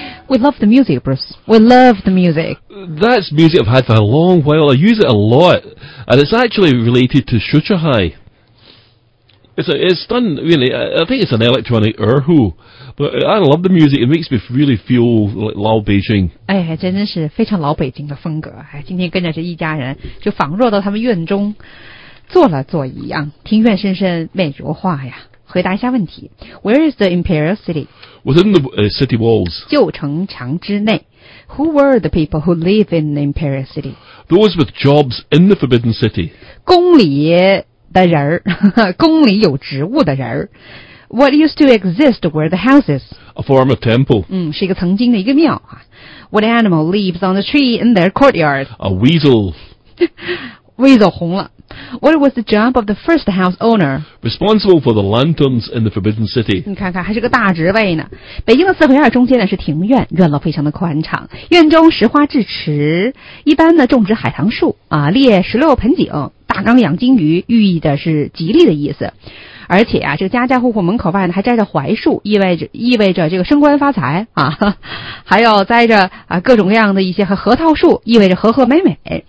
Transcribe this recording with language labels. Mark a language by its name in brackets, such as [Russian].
[English] We love the music, Bruce. We love the music. That's music I've had for a long while. I use it a lot. And it's actually related to Shuchihai. It's done, really, I think it's an electronic erhu. But I love the music. It makes me really feel like 老北京。 [Chinese] 哎，真的是非常老北京的风格。哎，今天跟着这一家人，就仿若到他们院中坐了坐一样，庭院深深，美如画呀。回答一下问题 ， [English] Where is the Imperial City? Within the city walls. [Chinese] 旧城墙之内。 [English] Who were the people who live in the Imperial City? Those with jobs in the Forbidden City. [Chinese] 宫里的人儿，宫里有职务的人儿。 [English] What used to exist were the houses? A former temple. [Chinese] 嗯，是一个曾经的一个庙啊。 [English] What animal lives on the tree in their courtyard? A weasel. [Chinese] Weasel 红了。 [English] What was the job of the first house owner? Responsible for the lanterns in the Forbidden City. [Chinese] 你看看，还是个大职位呢。北京的四合院中间呢是庭院，院落非常的宽敞。院中石花置池，一般呢种植海棠树啊，立16盆景，大缸养金鱼，寓意的是吉利的意思。而且啊，这个家家户户门口外呢还栽着槐树，意味着这个升官发财啊，还有栽着啊各种各样的一些和核桃树，意味着和和美美。